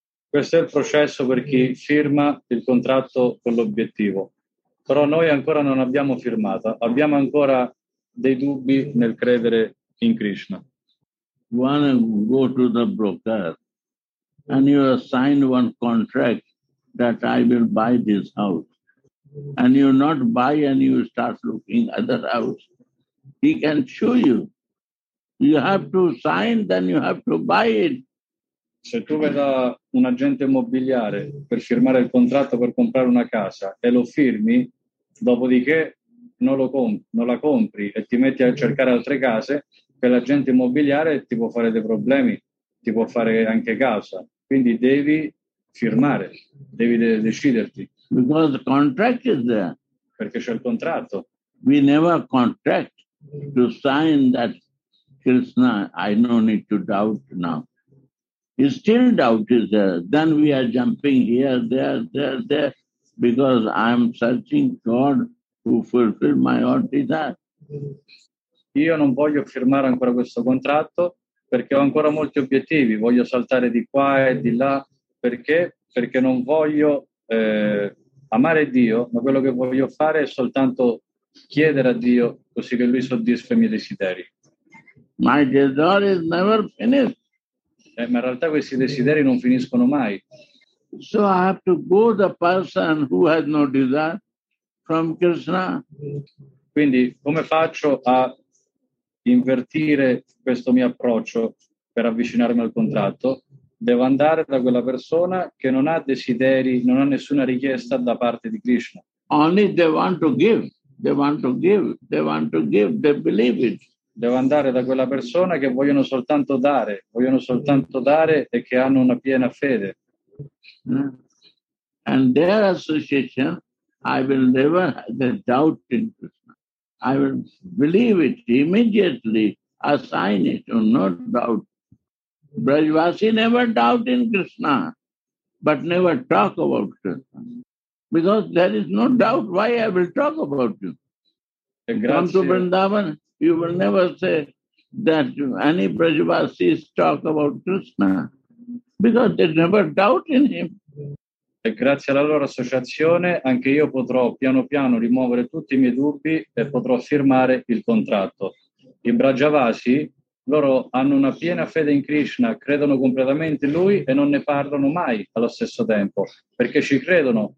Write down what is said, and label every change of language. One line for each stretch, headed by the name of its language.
Italian: Questo è il processo per chi firma il contratto con l'obiettivo. Però noi ancora non abbiamo firmato. Abbiamo ancora dei dubbi nel credere in Krishna.
English: One go to the broker and you assign one contract that I will buy this house. And you not buy and you start looking at the house. he can show you. You have to sign, then you have to buy it.
Italian: Se tu vai da un agente immobiliare per firmare il contratto per comprare una casa e lo firmi, dopodiché non lo compri, non la compri e ti metti a cercare altre case, quell'agente immobiliare ti può fare dei problemi, ti può fare anche causa. Quindi devi firmare, devi deciderti.
English: Because the contract is there.
Italian: Perché c'è il contratto.
English: We never contract to sign that Krishna, I no need to doubt now. If still doubt is there, then we are jumping here, there, because I am searching God who fulfilled my desire.
Italian: Io non voglio firmare ancora questo contratto perché ho ancora molti obiettivi. Voglio saltare di qua e di là. Perché? Perché non voglio amare Dio, ma quello che voglio fare è soltanto chiedere a Dio così che Lui soddisfa i miei desideri.
English: My desire is never finished.
Italian: Ma in realtà questi desideri non finiscono mai.
English: So I have to go the person who has no desire from Krishna.
Italian: Quindi come faccio a invertire questo mio approccio per avvicinarmi al contratto? Devo andare da quella persona che non ha desideri, non ha nessuna richiesta da parte di Krishna.
English: Only they want to give, they want to give, they want to give, they believe it.
Italian: Devo andare da quella persona che vogliono soltanto dare e che hanno una piena fede.
English: And their association, I will never have a doubt in Krishna. I will believe it immediately, assign it, or no doubt. Brajvasi never doubt in Krishna, but never talk about Krishna. Because there is no doubt why I will talk about you. Come to Vrindavan. You will never say that any Brajavasis talk about Krishna because they never doubt in him.
Italian: E grazie alla loro associazione anche io potrò piano piano rimuovere tutti i miei dubbi e potrò firmare il contratto. I Brajavasi, loro hanno una piena fede in Krishna, credono completamente in lui e non ne parlano mai allo stesso tempo perché ci credono.